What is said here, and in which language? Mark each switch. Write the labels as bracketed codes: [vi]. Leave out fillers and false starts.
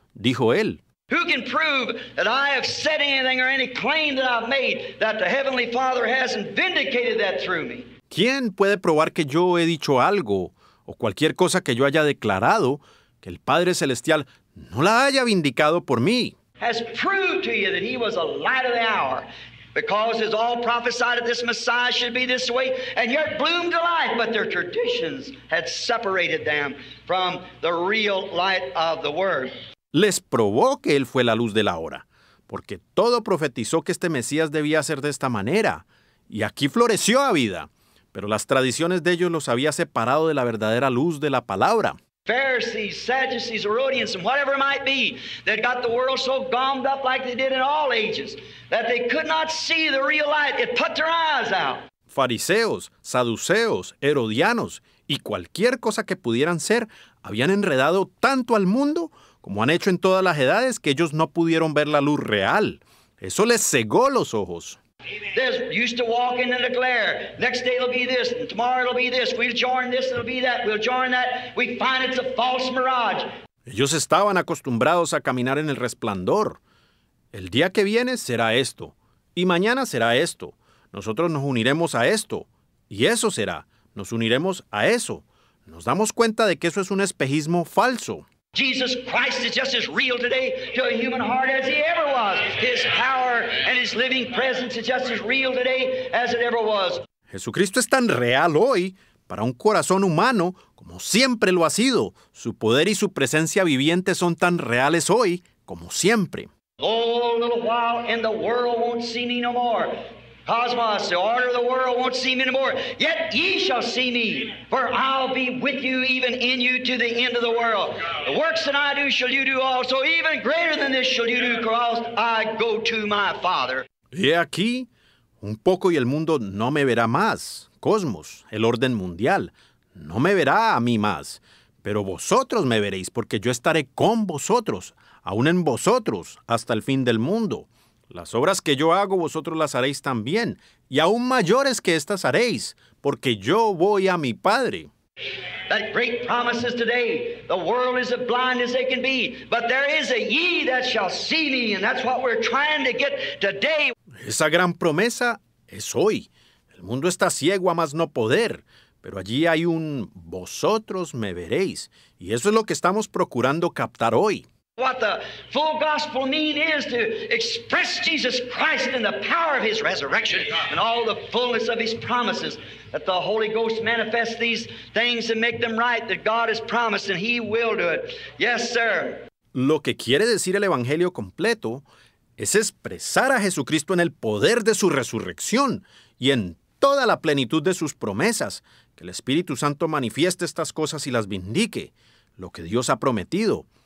[es] Dijo él. [en] Who can prove that I have said anything or any claim that I've made that the Heavenly Father hasn't vindicated that through me? [es] ¿Quién puede probar que yo he dicho algo o cualquier cosa que yo haya declarado que el Padre Celestial no la haya vindicado por mí? [en] Has proved to you that he was a light of the hour because it's all prophesied that this Messiah should be this way and yet bloomed to life, but their traditions had separated them from the real light of the Word. [es] Les probó que él fue la luz de la hora, porque todo profetizó que este Mesías debía ser de esta manera, y aquí floreció a vida, pero las tradiciones de ellos los había separado de la verdadera luz de la palabra. [en] Pharisees, Sadducees, Herodians, and whatever it might be, that got the world so gummed up like they did in all ages, that they could not see the real light, it put their eyes out. [es] Fariseos, Saduceos, Herodianos, y cualquier cosa que pudieran ser, habían enredado tanto al mundo como han hecho en todas las edades, que ellos no pudieron ver la luz real. Eso les cegó los ojos. [en] They used to walk in the glare. Next day it'll be this, and tomorrow it'll be this. We'll join this, it'll be that. We'll join that. We find it's a false mirage. [es] Ellos estaban acostumbrados a caminar en el resplandor. El día que viene será esto, y mañana será esto. Nosotros nos uniremos a esto, y eso será. Nos uniremos a eso. Nos damos cuenta de que eso es un espejismo falso. [en] Jesus Christ is just as real today to a human heart as he ever was. His power and his living presence is just as real today as it ever was. [es] Jesucristo es tan real hoy para un corazón humano como siempre lo ha sido. Su poder y su presencia viviente son tan reales hoy como siempre. [en] Oh, a little while and the world won't see me no more. Cosmos, the order of the world won't see me no more. Yet ye shall see me, for I'll be with you, even in you, to the end of the world. The works that I do shall you do also, even greater than this shall you do, because I go to my Father. [es] He aquí, un poco y el mundo no me verá más. Cosmos, el orden mundial, no me verá a mí más. Pero vosotros me veréis, porque yo estaré con vosotros, aún en vosotros, hasta el fin del mundo. Las obras que yo hago, vosotros las haréis también, y aún mayores que estas haréis, porque yo voy a mi Padre. [en] That great promise is today, the world is as blind as they can be, but there is a ye that shall see me, and that's what we're trying to get today. [es] Esa gran promesa es hoy. El mundo está ciego a más no poder, pero allí hay un vosotros me veréis, y eso es lo que estamos procurando captar hoy. [en] What the full gospel mean is to express Jesus Christ in the power of his resurrection and all the fullness of his promises, that the Holy Ghost manifests these things and make them right that God has promised, and he will do it. Yes, sir. [es] Lo que quiere decir el Evangelio completo es expresar a Jesucristo en el poder de su resurrección y en toda la plenitud de sus promesas, que el Espíritu Santo manifieste estas cosas y las vindique, lo que Dios ha prometido.